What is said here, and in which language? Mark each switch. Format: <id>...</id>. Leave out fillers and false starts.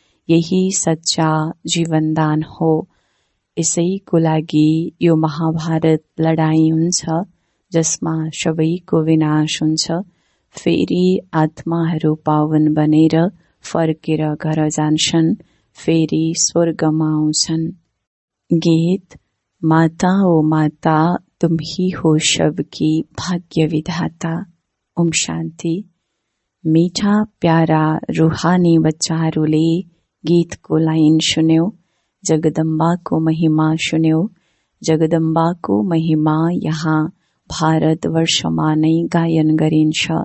<hi>यही सच्चा जीवनदान हो।</hi> <ne>यसैको लागि यो महाभारत लडाई हुन्छ जसमा सबैको विनाश हुन्छ। फेरि आत्माहरू पावन बनेर फर्केर घर जान्छन्, फेरि स्वर्गमा आउँछन्।</ne> <hi>गीत, माता ओ माता तुम ही हो सबकी भाग्य विधाता। ओम शांति।</hi> <ne>मीठा प्यारा रूहानी बच्चाहरूले गीतको लाइन सुन्यो, जगदम्बाको महिमा सुन्यो। जगदम्बाको महिमा यहाँ भारतवर्षमा नै गायन गरिन्छ।</ne>